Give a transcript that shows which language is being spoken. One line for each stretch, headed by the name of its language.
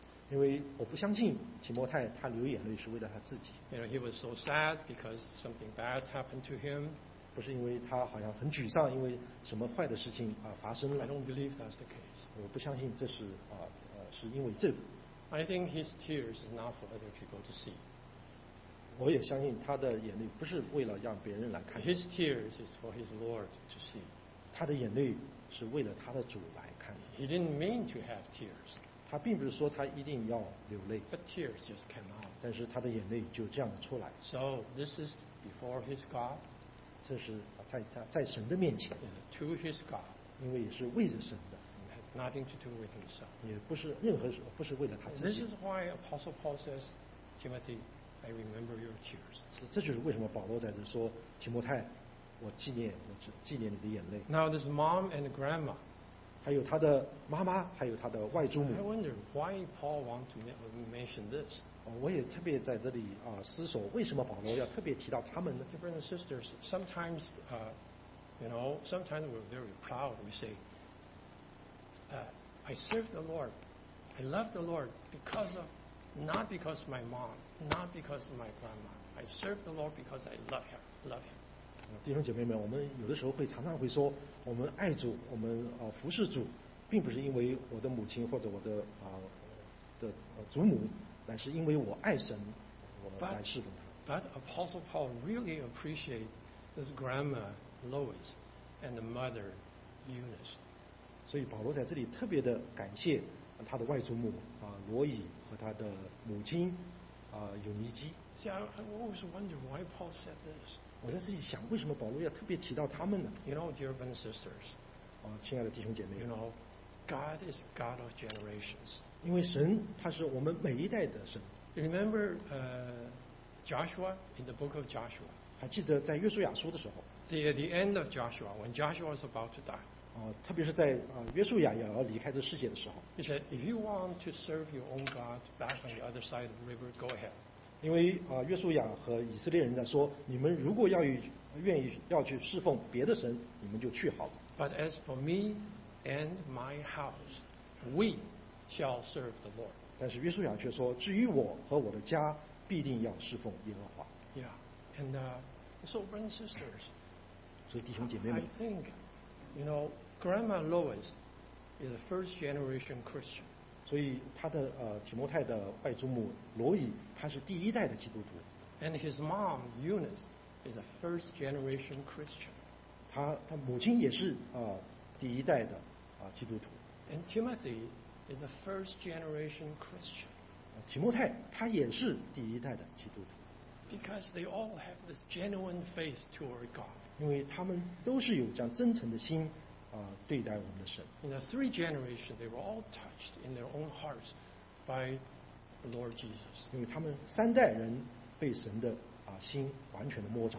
Chinese: 因为我不相信提摩太他流眼泪是为了他自己。
English: You know, he was so sad because something bad happened to him.
Chinese: 不是因为他好像很沮丧，因为什么坏的事情发生了。
English: I don't believe that's the case.
Chinese: 我不相信这是是因为这个。
English: I think his tears is not for other people to see.
Chinese: 我也相信他的眼泪不是为了让别人来看。
English: His tears is for his Lord to see.
Chinese: 他的眼泪是为了他的主来看。
English: He didn't mean to have tears.
Chinese: 他他并不是说他一定要流泪。
English: But tears just came out.
Chinese: 但是他的眼泪就这样出来。
English: So this is before his God.
Chinese: 这是在神的面前。
English: Yeah, to his God.
Chinese: 因为也是为着神的。
English: Has nothing to do with himself.
Chinese: 也不是任何不是为了他自己。
English: And this is why Apostle Paul says, Timothy, I remember your tears.
Chinese: 这就是为什么保罗在这说，提摩太，我纪念，我纪念你的眼泪。
English: Now this mom and grandma.
Chinese: 还有他的妈妈，还有他的外祖母。
English: I wonder why Paul want to mention this.
Chinese: 我也特别在这里啊思索，为什么保罗要特别提到他们呢
English: ？Dear brothers and sisters, sometimes, you know, sometimes we're very proud. We say, I serve the Lord, I love the Lord because of, not because of my mom, not because of my grandma. I serve the Lord because I love him, love him.
Chinese: 弟兄姐妹们，我们有的时候会常常会说，我们爱主，我们服侍主，并不是因为我的母亲或者我的祖母，乃是因为我爱神，我来侍奉他。
English: But Apostle Paul really appreciate his grandma Lois and the mother Eunice.
Chinese: 所以保罗在这里特别的感谢他的外祖母罗伊和他的母亲尤尼基。
English: See, I always wonder why Paul said this.
Chinese: 我在自己想，为什么保罗要特别提到他们呢
English: ？You know, dear brothers and sisters.
Chinese: 亲爱的弟兄姐妹。
English: You know, God is God of generations.
Chinese: 因为神他是我们每一代的神。
English: Remember, Joshua in the book of Joshua.
Chinese: 还记得在约书亚书的时候
English: ？The end of Joshua when Joshua was about to die.
Chinese: 特别是在约书亚要离开这世界的时候。
English: He said, "If you want to serve your own God back on the other side of the river, go ahead."
Chinese: 因为约书亚和以色列人在说，你们如果愿意去侍奉别的神，你们就去好了。
English: But as for me and my house, we shall serve the Lord.
Chinese: 但是约书亚却说，至于我和我的家，必定要侍奉耶和华。
English: Yeah, and so brothers and sisters.
Chinese: 所以弟兄姐妹们
English: ，I think, you know, Grandma Lois is a first generation Christian.
Chinese: 所以他的提摩太的外祖母罗伊，他是第一代的基督徒。
English: And his mom Eunice is a first generation Christian.
Chinese: 他母亲也是第一代的基督徒。
English: And Timothy is a first generation Christian.
Chinese: 提摩太他也是第一代的基督徒。
English: Because they all have this genuine faith toward God.
Chinese: 因为他们都是有这样真诚的心。对待我们的神。
English: In the three generations, they were all touched in their own hearts by the Lord Jesus.
Chinese: 因为他们三代人被神的心完全的摸着。